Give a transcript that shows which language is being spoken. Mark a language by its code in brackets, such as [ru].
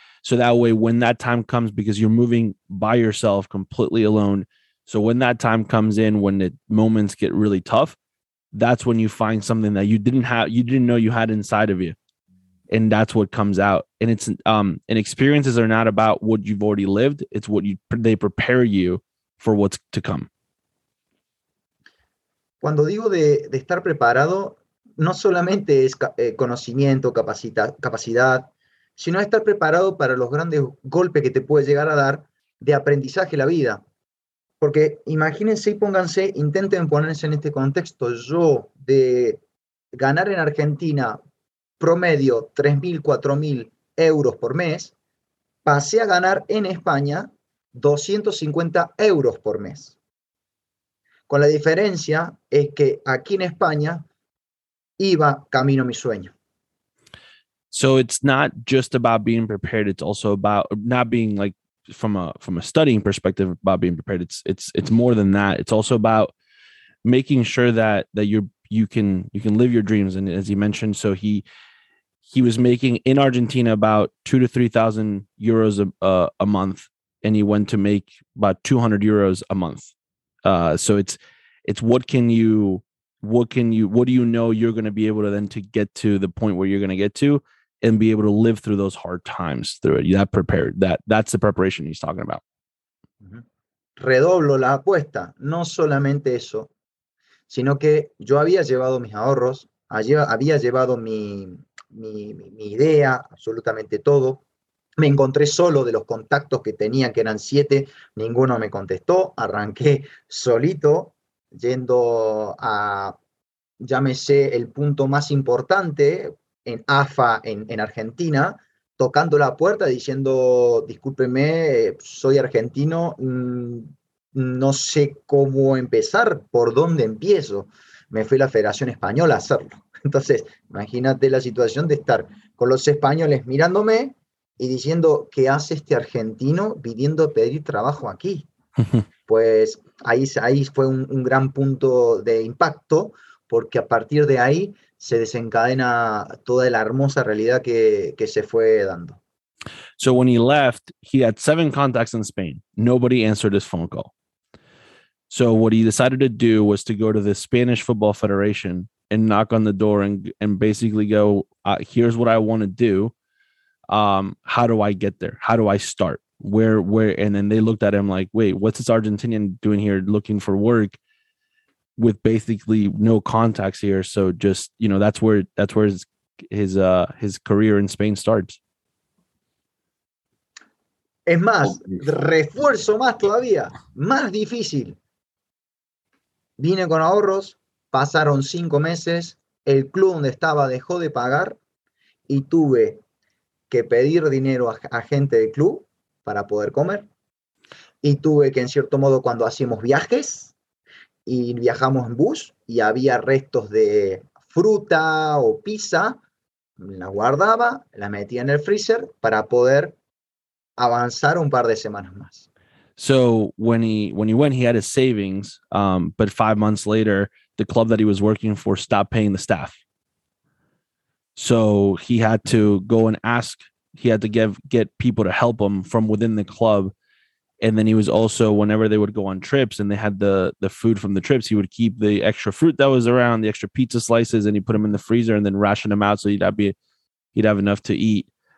[en] So that way, when that time comes, because you're moving by yourself completely alone, so when that time comes in, when the moments get really tough, that's when you find something that you didn't know you had inside of you. and that's what comes out. And it's and experiences are not about what you've already lived. It's what you they prepare you for what's to come. [es] Cuando digo de estar preparado, no solamente es conocimiento, capacidad, sino estar preparado para los grandes golpes que te puede llegar a dar de aprendizaje la vida. Porque imagínense y pónganse, intenten ponerse en este contexto, yo de ganar en Argentina promedio 3.000, 4.000 euros por mes, pasé a ganar en España 250 euros por mes. Con la diferencia es que aquí en España iba camino a mi sueño. [en] So it's not just about being prepared, it's also about not being like, from a studying perspective about being prepared, it's more than that. It's also about making sure that you can live your dreams. And as he mentioned, so he was making in Argentina about 2,000 to 3,000 euros a month, and he went to make about 200 euros a month. So it's what do you know you're going to be able to then to get to the point where you're going to get to and be able to live through those hard times through it. That's the preparation he's talking about. [es] Redoblo la apuesta. No solamente eso, sino que yo había llevado mis ahorros, había llevado mi idea, absolutamente todo. Me encontré solo de los contactos que tenía, que eran 7. Ninguno me contestó. Arranqué solito yendo a, llámese, el punto más importante en AFA, en Argentina, tocando la puerta diciendo, discúlpeme, soy argentino, no sé cómo empezar, por dónde empiezo. Me fui a la Federación Española a hacerlo. Entonces, imagínate la situación de estar con los españoles mirándome y diciendo, ¿qué hace este argentino viniendo a pedir trabajo aquí? Pues ahí fue un gran punto de impacto, porque a partir de ahí se desencadena toda la hermosa realidad que se fue dando. [en] So when he left, he had 7 contacts in Spain. Nobody answered his phone call. So what he decided to do was to go to the Spanish Football Federation and knock on the door and basically go, here's what I want to do. How do I get there? How do I start? Where? And then they looked at him like, wait, what's this Argentinian doing here looking for work with basically no contacts here? So just, you know, that's where his career in Spain starts. [es] Es más, refuerzo más todavía, más difícil. Vine con ahorros, pasaron 5 meses, el club donde estaba dejó de pagar y tuve que pedir dinero a gente del club para poder comer. Y tuve que, en cierto modo, cuando hacíamos viajes, y viajamos en bus y había restos de fruta o pizza, la guardaba, la metía en el freezer para poder avanzar un par de semanas más. [en] So when he went, he had his savings, but 5 months later, the club that he was working for stopped paying the staff. So he had to go and ask, he had to get people to help him from within the club. And then he was also, whenever they would go on trips and they had the food from the trips, he would keep the extra fruit that was around, the extra pizza slices, and he put them in the freezer and then ration them out so he'd have enough to eat.